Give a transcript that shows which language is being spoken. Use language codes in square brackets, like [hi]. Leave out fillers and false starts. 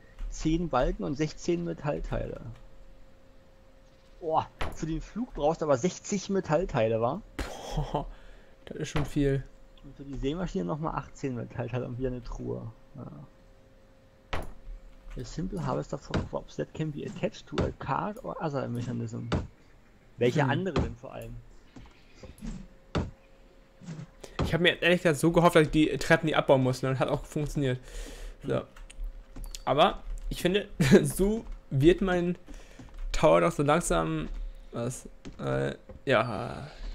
[de] 10 Balken und 16 Metallteile. Boah, für den Flug brauchst du aber 60 Metallteile, wa? Boah, das ist schon viel. Und für die Sämaschine nochmal 18 Metallteile und wieder eine Truhe. Ja. [en] A simple harvester for crops that can be attached to a cart or other mechanism. [de] Welche andere denn vor allem? Ich habe mir ehrlich gesagt so gehofft, dass ich die Treppen nicht abbauen muss, und hat auch funktioniert. So. Aber ich finde, so wird mein Tower doch so langsam. Was? Ja.